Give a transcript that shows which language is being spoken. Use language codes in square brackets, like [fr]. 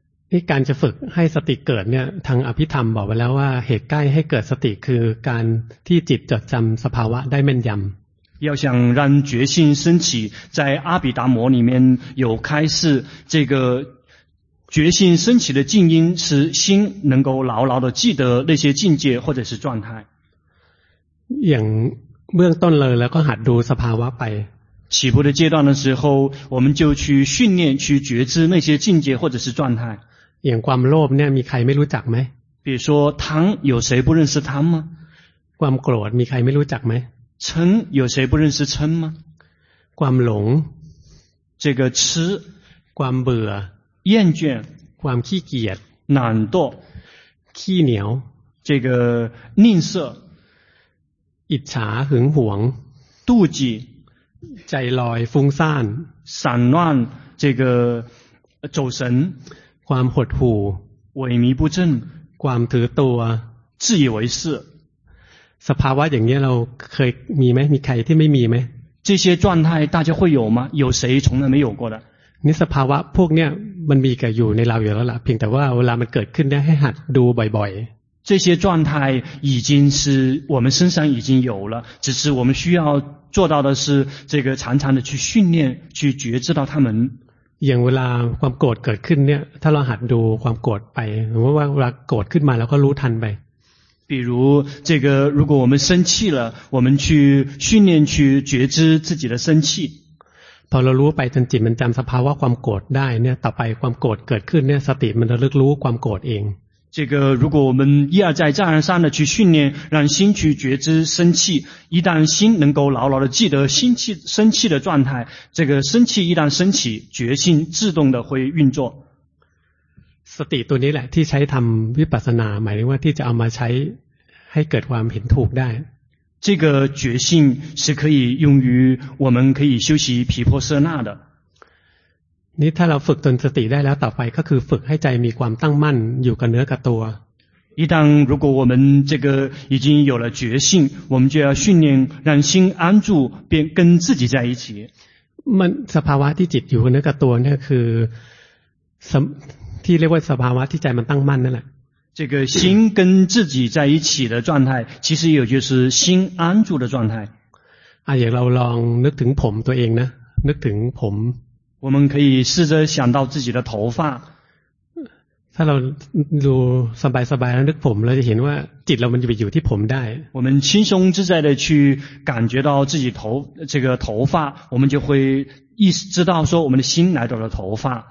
[th] ที่การจะฝึกให้สติเกิดเนี่ยทางอภิธรรมบอกไปแล้วว่าเหตุใกล้ให้เกิดสติคือการที่จิตจดจำสภาวะได้แม่นยำ [zh] 要想让觉性升起在阿毗达摩里面有开示这个觉性升起的静音是心能够牢牢的记得那些境界或者是状态 [th] อย่าง เบื้องต้นเลยแล้วก็หัดดูสภาวะไป [zh] 起步的阶段的时候我们就去训练去觉知那些境界或者是状态 [th] อย่างความโลภเนี่ยมีใครไม่รู้จักไหม [zh] 比如说贪有谁不认识贪吗 [th] ความโกรธมีใครไม่รู้จักไหม [zh] 嗔有谁不认识嗔吗 [th] ความหลง [zh] 这个痴 [th] ความเบื่อ [zh] 厌倦 [th] ความขี้เกียจ [zh] 懒惰 [th] ขี้เหนียว [zh] 这个吝啬 [th] อิจฉาหึงหวง [zh] 妒忌 [th] ใจลอยฟุ้งซ่าน [zh] 散乱这个走神 [th] ความหดหู่ [zh] 萎靡不振 [th] ความถือตัว [zh] 自以为是 [th] สภาวะอย่างนี้เราเคยมีไหมมีใครที่ไม่มีไหม [zh] 这些状态大家会有吗有谁从来没有过的 [th] นี่สภาวะพวกเนี้ยมันมีกันอยู่ในเราอยู่แล้วล่ะเพียงแต่ว่าเวลามันเกิดขึ้นเนี่ยให้หัดดูบ่อยๆ [zh] 这些状态已经是我们身上已经有了只是我们需要做到的是这个常常的去训练去觉知到他们 [th] อย่างเวลาความโกรธเกิดขึ้นเนี่ยถ้าเราหัดดูความโกรธไปหรือว่าเวลาโกรธขึ้นมาแล้วก็รู้ทันไป [zh] 比如这个如果我们生气了我们去训练去觉知自己的生气 [th] พอเรารู้ไปจนจิตมันจำสภาวะความโกรธได้เนี่ยต่อไปความโกรธเกิดขึ้นเนี่ยสติมันระลึกรู้ความโกรธเอง [zh] 这个如果我们一而再再而三的去训练让心去觉知生气一旦心能够牢牢的记得心气生气的状态这个生气一旦升起觉心自动的会运作 [th] สติตัวนี้แหละที่ใช้ทำวิปัสสนาหมายถึงว่าที่จะเอามาใช้ให้เกิดความเห็นถูกได้ [zh] 这个觉心是可以用于我们可以修习毗婆舍那的 [th] นี่ถ้าเราฝึกตนสติได้แล้วต่อไปก็คือฝึกให้ใจมีความตั้งมั่นอยู่กับเนื้อกับตัว [zh] 一旦如果我们这个已经有了觉性我们就要训练让心安住便跟自己在一起 [th] มันสภาวะที่จิตอยู่กับเนื้อกับตัวนี่คือที่เรียกว่าสภาวะที่ใจมันตั้งมั่นนั่นแหละ [zh] 这个心跟自己在一起的状态其实也就是心安住的状态 [th] อย่างเราลองนึกถึงผมตัวเองนะนึกถึงผม [zh] 我们可以试着想到自己的头发 [th] ถ้าเราดูสบายสบายแล้วนึกผมเราจะเห็นว่าจิตเรามันจะไปอยู่ที่ผมได้ [zh] 我们轻松自在的去感觉到自己头这个头发我们就会意识知道说我们的心来到了头发